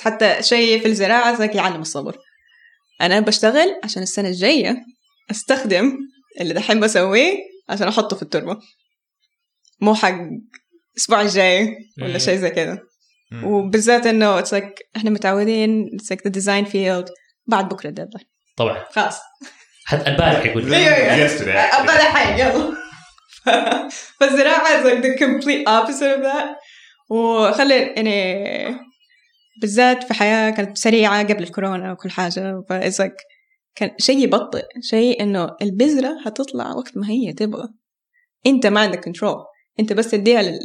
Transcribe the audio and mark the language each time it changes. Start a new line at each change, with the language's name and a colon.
Arabic: حتى شيء في الزراعة زيك يعلم الصبر. أنا بشتغل عشان السنة الجاية أستخدم اللي دحين بسويه عشان أحطه في التربة، مو حق أسبوع الجاي ولا شيء زي كده. وبالذات إنه
English: it's like
Arabic: إحنا متعودين
English: it's like the design field
Arabic: بعد بكرة
English: deadline.
Arabic: طبعا خلاص حتى البارح يقول البارح يلا.
English: فالزراعة is like the complete opposite of that.
Arabic: وخلي يعني بالذات في حياة كانت سريعة قبل الكورونا وكل حاجة، فإذا كان شيء يبطئ شيء إنه البذرة هتطلع وقت ما هي تبغى، أنت ما عندك كنترول، أنت بس تديها